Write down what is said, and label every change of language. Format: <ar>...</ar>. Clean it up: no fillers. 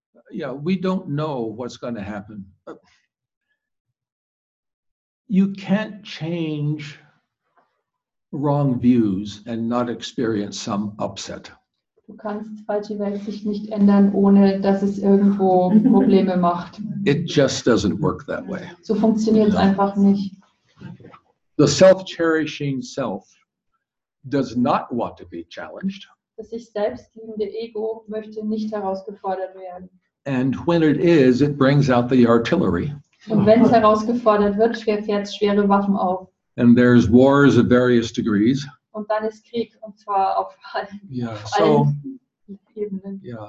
<en>Yeah, we don't know what's going to happen. You can't change wrong views and not experience some upset.</en> <de>Du kannst falsche Welt sich nicht ändern, ohne dass es irgendwo Probleme macht.</de> <en>It just doesn't work that way.</en> <de>So funktioniert es einfach nicht.</de> <en>The self-cherishing self does not want to be challenged.</en> <de>Das sich selbstliebende Ego möchte nicht herausgefordert werden.</de> <en>And when it is, it brings out the artillery.</en> <de>Und wenn es herausgefordert wird, fährt es schwere Waffen auf.</de> <en>And there's wars of various degrees.</en> <de>Und dann ist Krieg, und zwar auf allen Ebenen.</de>